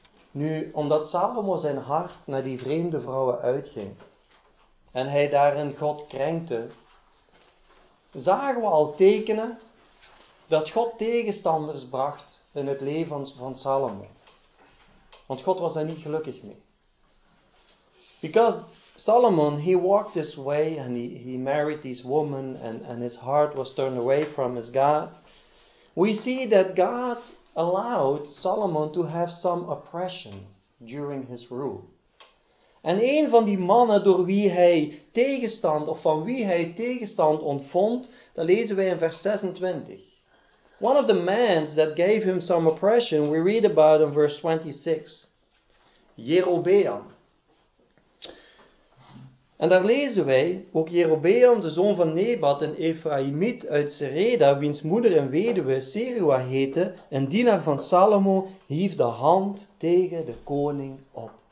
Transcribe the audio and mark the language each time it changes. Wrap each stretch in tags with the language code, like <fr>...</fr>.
<nl>Nu, omdat Salomo zijn hart naar die vreemde vrouwen uitging en hij daarin God krenkte, zagen we al tekenen dat God tegenstanders bracht in het leven van Salomo. Want God was daar niet gelukkig mee.</nl> <en>Because Solomon, he walked this way and he married this woman and his heart was turned away from his God. We see that God allowed Solomon to have some oppression during his rule.</en> <nl>En een van die mannen door wie hij tegenstand, of van wie hij tegenstand ontvond, dat lezen wij in vers 26.</nl> <en>One of the men that gave him some oppression, we read about in verse 26.</en> <nl>Jerobeam. En daar lezen wij, ook Jerobeam, de zoon van Nebat, een Ephraimiet uit Sereda, wiens moeder en weduwe Serua heette, een dienaar van Salomo, hief de hand tegen de koning op.</nl>